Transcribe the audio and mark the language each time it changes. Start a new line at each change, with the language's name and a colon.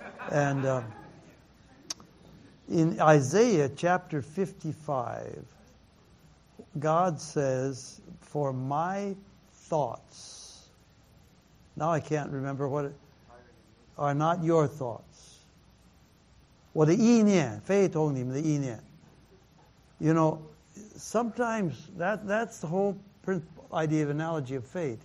English: And in Isaiah chapter 55, God says, for my thoughts, now I can't remember what it, are not your thoughts.
Chinese: 我的意念，非同你们的意念。
English: You know, sometimes that's the whole idea of analogy of faith.